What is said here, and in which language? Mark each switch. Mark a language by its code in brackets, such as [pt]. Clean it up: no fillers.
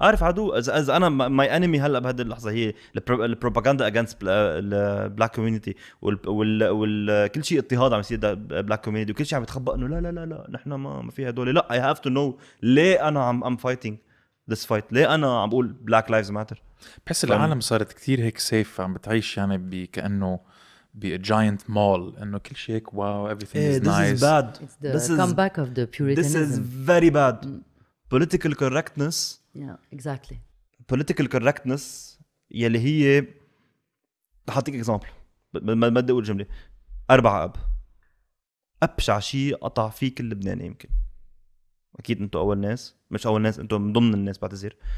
[ar] عارف عدو إذا أنا my enemy هلأ بهذه اللحظة هي البروباغندا [en] against black community [ar] وكل شيء اضطهاد عم يصير black community وكل شيء عم يتخبأ أنه لا لا لا لا نحن ما فيها دولة لا [en] I have to know [ar] ليه أنا [en] I'm fighting this fight [ar] ليه أنا عم بقول [en] black lives matter [ar] بحس العالم صارت كتير هيك سيف عم بتعيش يعني كأنه [en] be a giant mall [ar] انه كل شيء هيك واو everything is [en] this nice this is bad it's the comeback of the puritanism this is very bad political correctness yeah exactly [ar] political correctness يلي هي حاعطيك اكزامبل ما بدي اقول جمله اربع اب ابشع شيء قطع فيه كل لبناني يمكن اكيد انتم اول ناس مش اول ناس انتم ضمن الناس بعتذر